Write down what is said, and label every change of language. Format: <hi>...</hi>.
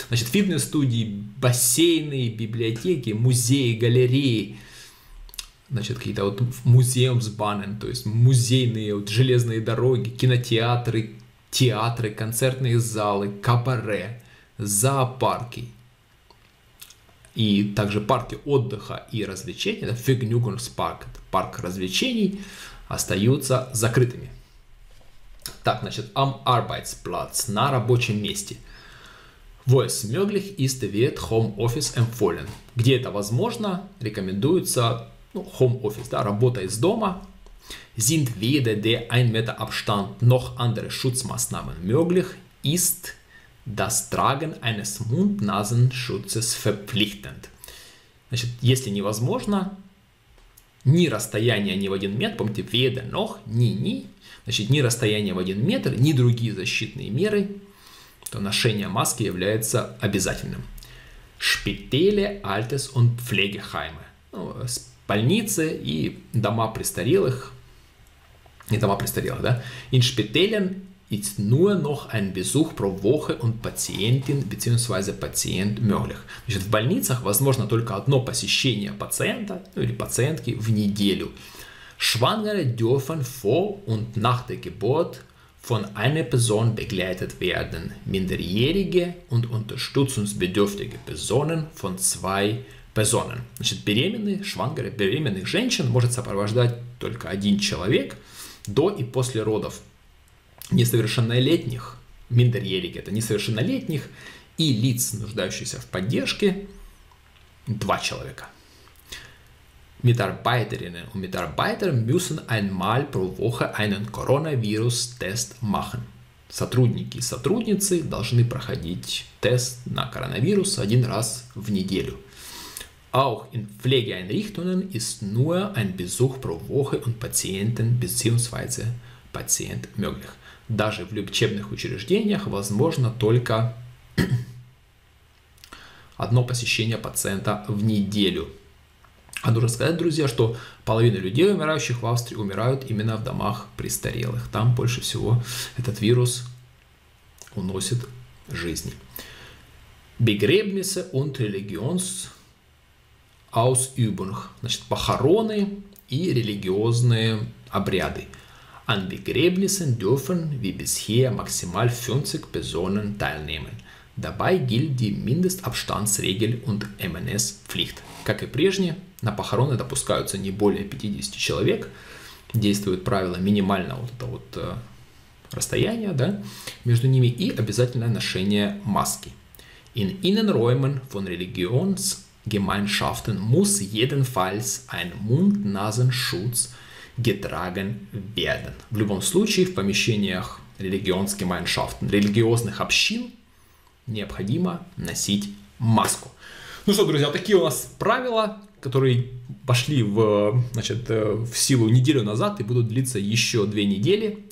<ru>Значит, фитнес-студии, бассейны, библиотеки, музеи, галереи, значит, какие-то вот Museumsbahnen, то есть музейные вот железные дороги, кинотеатры, театры, концертные залы, кабаре, зоопарки и также парки отдыха и развлечений, это Vergnügungspark, парк развлечений, остаются закрытыми. Так, значит,</ru> <de>am Arbeitsplatz,</de> <ru>на рабочем месте.</ru> <de>Wo es möglich ist, wird Homeoffice empfohlen.</de> <ru>Где это возможно, рекомендуется, ну, Homeoffice, да, работа из дома.</ru> <de>Sind weder der 1 Meter Abstand noch andere Schutzmaßnahmen möglich, ist das Tragen eines Mund-Nasen-Schutzes verpflichtend.</de> <ru>Значит, если невозможно, ни расстояние ни в один метр, помните,</ru> <de>weder noch,</de> <ru>ни-ни, значит, ни расстояние в один метр, ни другие защитные меры, то ношение маски является обязательным.</ru> <de>Шпитале, Альтес и Пфлегехайме.</de> <ru>больницы и дома престарелых. Не дома престарелых, да?</ru> <de>In Spitälern ist nur noch ein Besuch pro Woche und Patientin bzw. Patient möglich.</de> <ru>Значит, в больницах возможно только одно посещение пациента, ну, или пациентки в неделю.</ru> <de>Schwangere dürfen vor und nach der Geburt von einer Person begleitet werden. Minderjährige und unterstützungsbedürftige Personen von zwei Personen.</de> <ru>Значит, беременные, schwangere, беременных женщин может сопровождать только один человек до и после родов. Несовершеннолетних, minderjährige, это несовершеннолетних, и лиц, нуждающихся в поддержке, два человека.</ru> <de>Mitarbeiterinnen und Mitarbeiter müssen einmal pro Woche einen Coronavirus-Test machen.</de> <ru>Сотрудники и сотрудницы должны проходить тест на коронавирус один раз в неделю.</ru> <de>Auch in Pflegeeinrichtungen ist nur ein Besuch pro Woche und Patienten bzw. Patient möglich.</de> <ru>Даже в лечебных учреждениях возможно только одно посещение пациента в неделю. А нужно сказать, друзья, что половина людей, умирающих в Австрии, умирают именно в домах престарелых. Там больше всего этот вирус уносит жизни.</ru> <de>Begräbnisse und Religionsausübung.</de> <ru>Значит, похороны и религиозные обряды.</ru> <de>An Begräbnissen dürfen, wie bisher, maximal 50 Personen teilnehmen. Dabei gilt die Mindestabstandsregel und MNS-Pflicht.</de> <ru>Как и прежде, на похороны допускаются не более 50 человек. Действует правило минимального вот этого вот расстояния, да, между ними и обязательное ношение маски.</ru> <de>In Innenräumen von Religionsgemeinschaften muss jedenfalls ein Mund-Nasen-Schutz getragen werden.</de> <ru>В любом случае, в помещениях Religionsgemeinschaften, религиозных общин, необходимо носить маску. Ну что, друзья, такие у нас правила, которые пошли в, значит, в силу неделю назад и будут длиться еще две недели.</ru>